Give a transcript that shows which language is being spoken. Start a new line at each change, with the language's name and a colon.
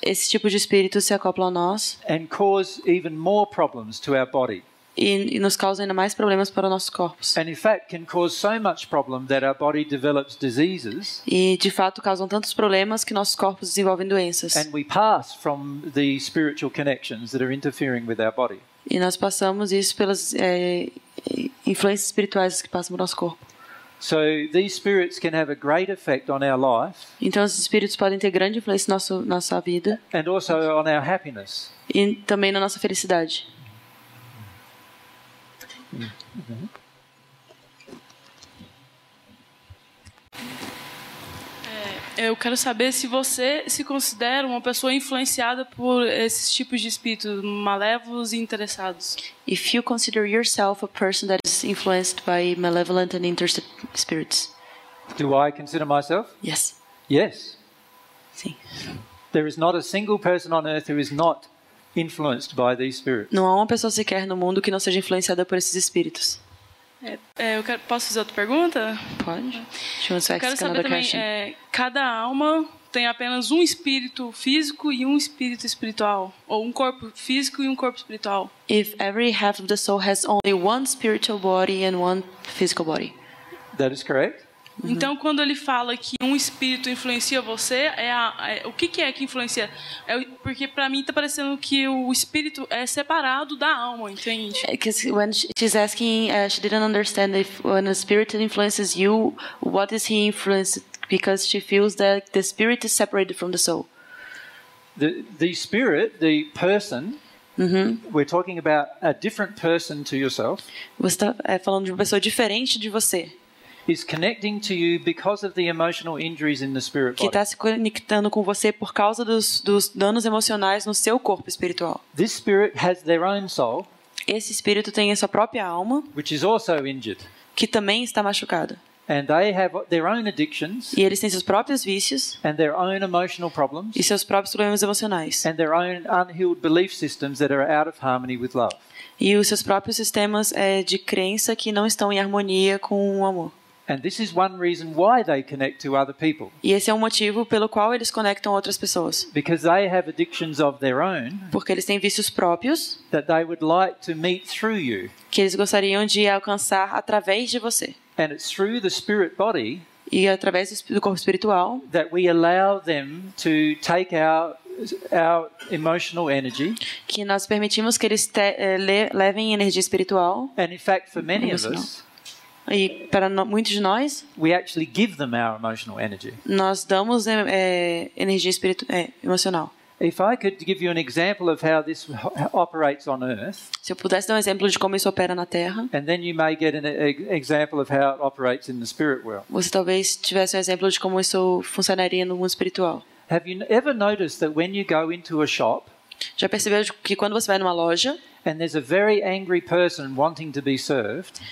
Portuguese: esse tipo de espírito se acopla a nós
English: and cause even more problems to our body.
Portuguese: E nos causa ainda mais problemas para nossos corpos.
English: And in fact can cause so much problem that our body develops diseases.
Portuguese: E de fato causam tantos problemas que nossos corpos desenvolvem doenças.
English: And we pass from the spiritual connections that are interfering with our body.
Portuguese: E nós passamos isso pelas influências espirituais que passam no nosso corpo.
English: So these spirits can have a great effect on our life.
Portuguese: Então esses espíritos podem ter grande influência nossa vida.
English: And also on our happiness.
Portuguese: E também na nossa felicidade. Eu quero saber se você se considera uma pessoa influenciada por esses tipos de espíritos malévolos e interessados.
English: If you consider yourself a person that is influenced by malevolent and interested spirits. Do I consider myself? Yes. Yes.
Portuguese: Sim.
English: There is not a single person on earth who is not influenced by these spirits.
Portuguese: Não há uma pessoa sequer no mundo que não seja influenciada por esses espíritos. Posso fazer outra pergunta? Pode. Eu quero saber também, cada alma tem apenas um espírito físico e um espírito espiritual, ou um corpo físico e um corpo espiritual?
English: If every half of the soul has only one spiritual body and one physical body. That is correct.
Portuguese: Então, quando ele fala que um espírito influencia você, o que, que é que influencia? É, porque para mim está parecendo que o espírito é separado da alma, entende?
English: Because when she's asking, she didn't understand if when a spirit influences you, what is he influenced? Because she feels that the spirit is separated from the soul. The spirit, the person, mm-hmm. we're talking about a different person to yourself.
Portuguese: Você está falando de uma pessoa diferente de você.
English: Is connecting to you because of the emotional injuries in the spirit body.
Portuguese: Que está se conectando com você por causa dos danos emocionais no seu corpo espiritual.
English: This spirit has their own soul.
Portuguese: Esse espírito tem a sua própria alma.
English: Which is also injured.
Portuguese: Que também está machucada.
English: And they have their own addictions.
Portuguese: E eles têm seus próprios vícios.
English: And their own emotional problems.
Portuguese: E seus próprios problemas emocionais.
English: And their own unhealed belief systems that are out of harmony with love.
Portuguese: E os seus próprios sistemas de crença que não estão em harmonia com o amor.
English: And this is one reason why they connect to other people.
Portuguese: E esse é um motivo pelo qual eles conectam outras pessoas.
English: Because they have addictions of their own.
Portuguese: Porque eles têm vícios próprios.
English: That they would like to meet through you.
Portuguese: Que eles gostariam de alcançar através de você.
English: And it's through the spirit body.
Portuguese: E através do corpo espiritual.
English: That we allow them to take our emotional energy.
Portuguese: Que nós permitimos que eles levem energia espiritual.
English: And in fact, for many of us.
Portuguese: E para muitos de nós,
English: we actually give them our emotional energy.
Portuguese: Nós damos energia emocional.
English: If I could give you an example of how this operates on earth,
Portuguese: se eu pudesse dar um exemplo de como isso opera na Terra,
English: and then you may get an example of how it operates in the spirit world.
Portuguese: Você talvez tivesse um exemplo de como isso funcionaria no mundo espiritual.
English: Have you ever noticed that when you go into a shop,
Portuguese: já percebeu que quando você vai numa loja,
English: and there's a very angry person wanting to be served.